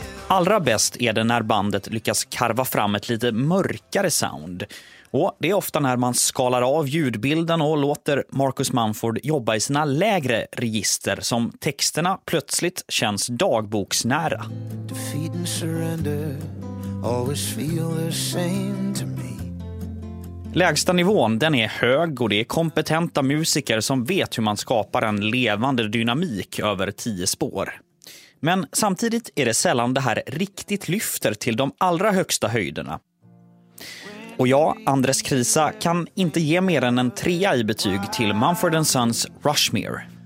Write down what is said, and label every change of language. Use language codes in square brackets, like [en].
[sv] Allra bäst är det när bandet lyckas karva fram ett lite mörkare sound. Och det är ofta när man skalar av ljudbilden och låter Marcus Mumford jobba i sina lägre register som texterna plötsligt känns dagboksnära. [en] Defeat and surrender always feel the same to me. [sv] Lägsta nivån, den är hög, och det är kompetenta musiker som vet hur man skapar en levande dynamik över 10 spår. Men samtidigt är det sällan det här riktigt lyfter till de allra högsta höjderna. Och jag, Andres Krisa, kan inte ge mer än en 3 i betyg till Mumford & Sons Rushmere.